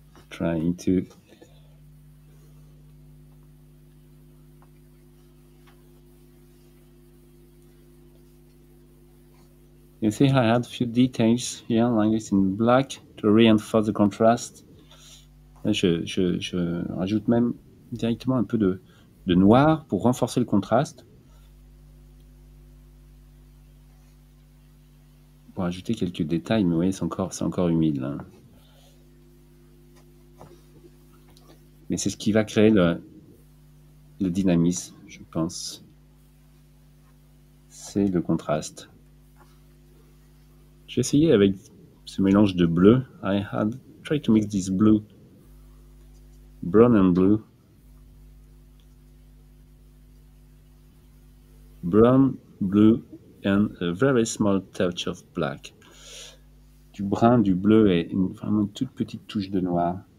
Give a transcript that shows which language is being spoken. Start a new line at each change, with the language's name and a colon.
English: Trying to... You see, I had a few details here, like it's in black, to reinforce the contrast.
French: Je rajoute même directement un peu de noir pour renforcer le contraste. Pour ajouter quelques détails, mais vous voyez, c'est encore humide. Là. Mais c'est ce qui va créer le dynamisme, je pense. C'est le contraste. J'ai essayé avec ce mélange de bleu.
English: I had tried to mix this blue, brown and blue, brown, blue and a very small touch of black.
French: Du brun, du bleu et une vraiment toute petite touche de noir.